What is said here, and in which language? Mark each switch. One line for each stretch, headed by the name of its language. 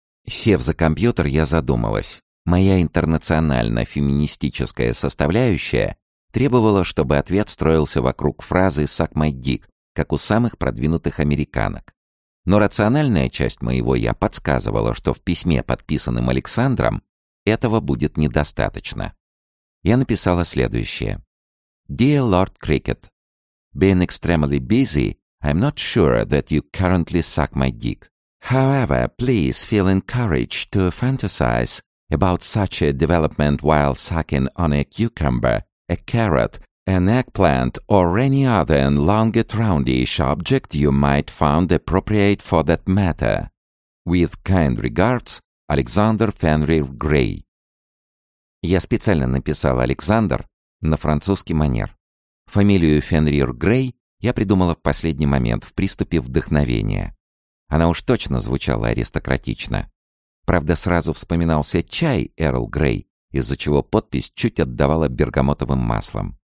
Russian: Сев за компьютер, я задумалась. Моя интернационально-феминистическая составляющая требовала, чтобы ответ строился вокруг фразы
English: «suck my dick»,
Russian: как у самых продвинутых американок. Но рациональная часть моего «я» подсказывала, что в письме, подписанном Александром, этого будет недостаточно. Я написала следующее.
English: «Dear Lord Cricket, being extremely busy, I'm not sure that you currently suck my dick. However, please feel encouraged to fantasize about such a development while sucking on a cucumber, a carrot, an eggplant or any other elongated roundish object you might find appropriate for that matter. With kind regards, Alexander Fenrir Grey».
Russian: Я специально написал «Александр» на французский манер. Фамилию Фенрир Грей я придумала в последний момент в приступе вдохновения. Она уж точно звучала аристократично. Правда, сразу вспоминался чай Эрл Грей, из-за чего подпись чуть отдавала бергамотовым маслом.